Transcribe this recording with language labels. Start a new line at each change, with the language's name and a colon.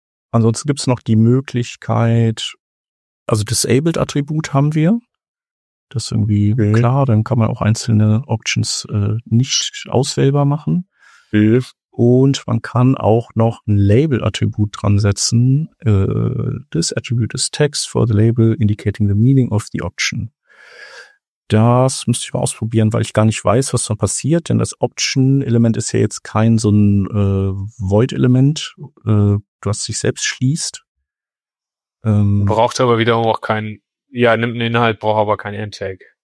German: Ansonsten gibt's noch die Möglichkeit, also Disabled-Attribut haben wir. Das ist irgendwie klar, dann kann man auch einzelne Options nicht auswählbar machen. Und man kann auch noch ein Label-Attribut dran setzen.
English: This attribute is text for the label indicating the meaning of the option.
German: Das müsste ich mal ausprobieren, weil ich gar nicht weiß, was da passiert, denn das Option-Element ist ja jetzt kein so ein Void-Element, was sich selbst schließt. Braucht aber wiederum auch keinen. Ja, nimmt einen Inhalt, braucht aber kein End-Tag.